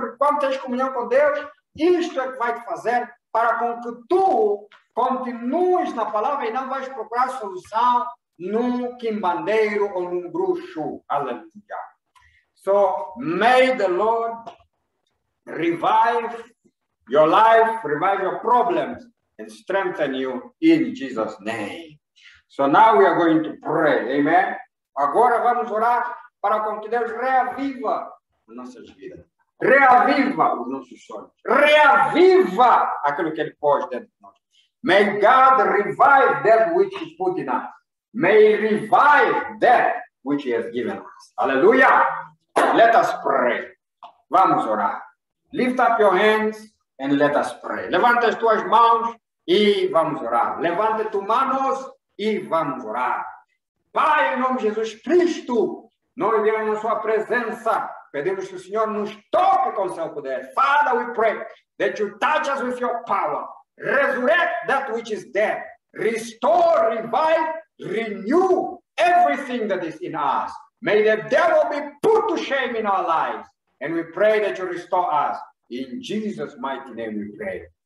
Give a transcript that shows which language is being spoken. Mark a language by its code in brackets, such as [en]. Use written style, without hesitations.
[pt] Porque quando tens comunhão com Deus, isto é que vai te fazer para com que tu continues na palavra e não vais procurar solução num quimbandeiro ou num bruxo. Aleluia. [en] So, may the Lord revive your life, revive your problems, and strengthen you in Jesus' name. So, now we are going to pray. Amen. [pt] Agora vamos orar para com que Deus reaviva as nossas vidas. Reaviva os nossos sonhos. Reaviva aquilo que Ele pôs dentro de nós. [en] May God revive that which He put in us. May He revive that which He has given us. Aleluia! Let us pray. [pt] Vamos orar. [en] Lift up your hands and let us pray. [pt] Levanta as tuas mãos e vamos orar. Levanta tuas mãos e vamos orar. Pai, em nome de Jesus Cristo, nós viemos na sua presença. Pedimos que o Senhor nos toque com seu poder. [en] Father, we pray that you touch us with your power. Resurrect that which is dead. Restore, revive, renew everything that is in us. May the devil be put to shame in our lives. And we pray that you restore us. In Jesus' mighty name we pray.